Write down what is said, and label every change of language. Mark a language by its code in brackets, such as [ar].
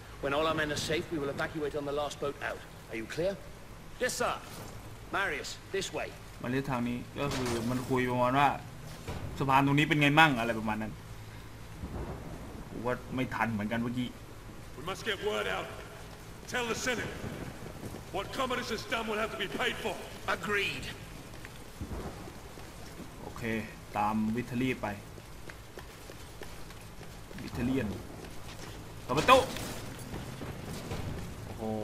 [en] When all our men are safe, we will evacuate on the last boat out. Are you clear? Yes, sir. Marius, this way. [th] มาเรื่องทางนี้ก็คือมันคุยประมาณว่าสะพานตรงนี้เป็นไงมั่งอะไรประมาณนั้นว่าไม่ทันเหมือนกันเมื่อกี้ [en] We must get word out. Tell the Senate. What Commodus has done will have to be paid for. Agreed. [th] โอเคตามวิทลีไปวิทเลียนต่อประตูโอ้โ